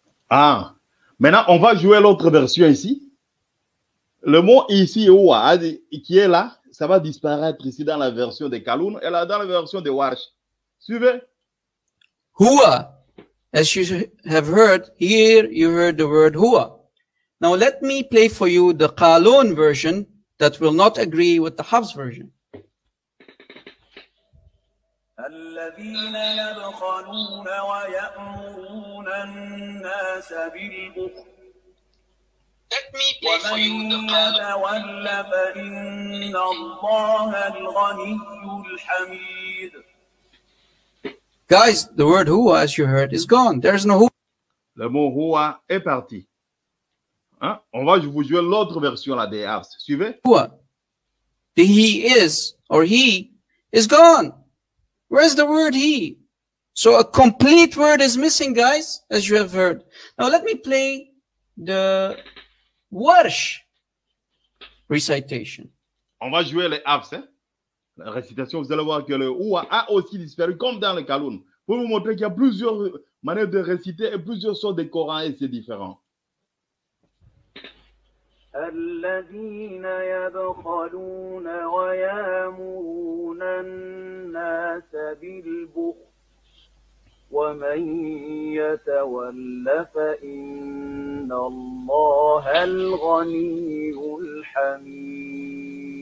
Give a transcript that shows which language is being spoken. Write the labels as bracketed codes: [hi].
[fr] Ah, maintenant on va jouer l'autre version ici. Le mot ici qui est là, ça va disparaître ici dans la version de Kaloun et là dans la version de Warsh. Suivez. [en] Hua, as you have heard, here you heard the word Hua. Now let me play for you the Kaloun version that will not agree with the Hafs version. [ar] الذين يبخلون ويأمرون الناس بالبخل ومن يتول فإن الله الغني الحميد. [en] Guys, the word هو, as you heard, is gone. There's no هو. [fr] Le mot هو est parti. Hein? On va vous jouer l'autre version là des Hafs. Suivez. [en] The he is or he is gone. Where's the word he? So a complete word is missing, guys, as you have heard. Now let me play the Warsh recitation. [fr] On va jouer les Hafs. Hein? La récitation, vous allez voir que le Ouah a aussi disparu, comme dans le Kaloun. Pour vous montrer qu'il y a plusieurs manières de réciter et plusieurs sortes de Coran et c'est différent. [ar] الذين يبخلون ويأمرون الناس بالبخل ومن يتول فإن الله الغني الحميد.